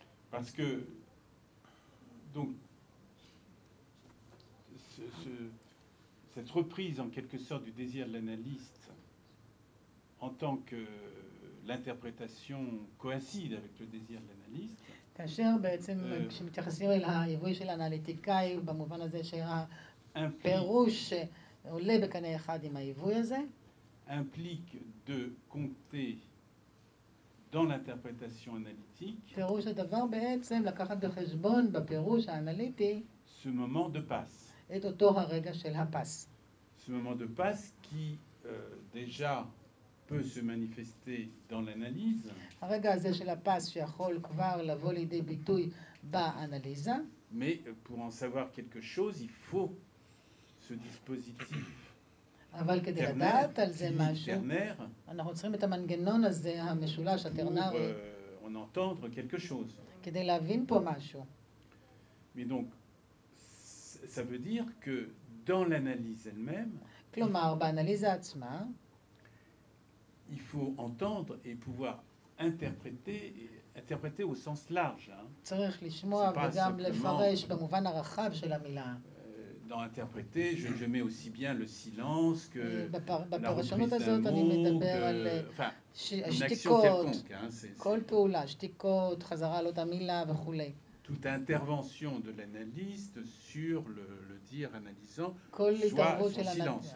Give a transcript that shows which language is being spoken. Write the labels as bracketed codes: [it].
[fr] parce que donc cette reprise en quelque sorte du désir de l'analyste en tant que l'interprétation coïncide avec le désir de l'analyste. [he] כאשר בעצם כשמתייחסים אל היווי של האנליטיקאי במובן הזה שהפירוש עולה בקנה אחד עם היווי הזה [fr] implique de compter dans l'interprétation analytique. [he] פירוש הדבר בעצם לקחת בחשבון בפירוש האנליטי [fr] ce moment de passe. [he] את אותו הרגע של הפס. [fr] Ce moment de passe qui déjà peut se manifester dans l'analyse. [he] הרגע הזה של הפס שיכול כבר לבוא לידי ביטוי באנליזה. [fr] Mais pour en savoir quelque chose, il faut ce dispositif. [he] אבל כדי לדעת על זה משהו, אנחנו צריכים את המנגנון הזה, המשולש, הטרנרי, [fr] en entendre quelque chose. [he] כדי להבין פה משהו. [fr] Mais donc, ça veut dire que dans l'analyse elle-même, [he] כלומר, באנליזה עצמה, [fr] il faut entendre et pouvoir interpréter au sens large. [he] צריך לשמוע וגם לפרש במובן הרחב של המילה. [fr] Dans interpréter, je mets aussi bien le silence que la reprise d'un mot, enfin, une action quelconque. Toute intervention de l'analyste sur le dire analysant, soit son silence,